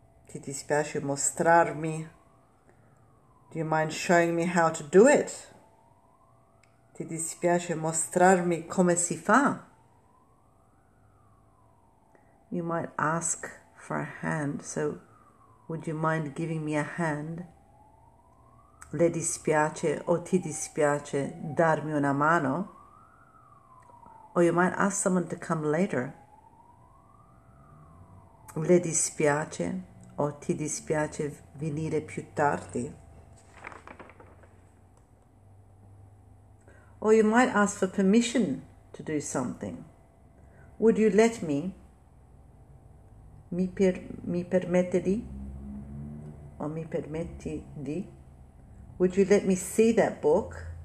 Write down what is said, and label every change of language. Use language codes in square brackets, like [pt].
[it] Ti dispiace mostrarmi? [en] Do you mind showing me how to do it? [it] Ti dispiace mostrarmi come si fa? [en] You might ask for a hand. So, would you mind giving me a hand? [it] Le dispiace o ti dispiace darmi una mano? [en] Or you might ask someone to come later. [it] Le dispiace o ti dispiace venire più tardi? [en] Or you might ask for permission to do something. Would you let me? [it] Mi permette di? O mi permetti di? [en] Would you let me see that book?